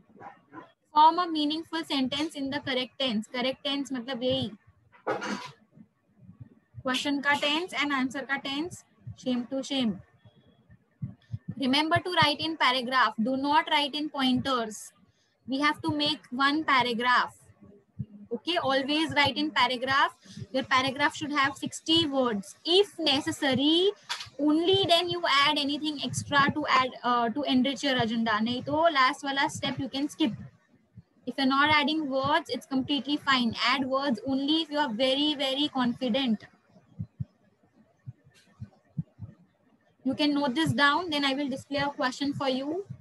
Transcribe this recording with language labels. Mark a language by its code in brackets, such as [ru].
[en] Form a meaningful sentence in the correct tense. [hi] Correct tense मतलब यही. [en] Question का tense and answer का tense same to same. Remember to write in paragraph. Do not write in pointers. We have to make one paragraph. Okay. Always write in paragraph. Your paragraph should have 60 words if necessary. Only then you add anything extra to enrich your agenda. [hi] नहीं तो last वाला step [en] You can skip. If you're not adding words, it's completely fine. Add words only if you are very, very confident. You can note this down, then I will display a question for you.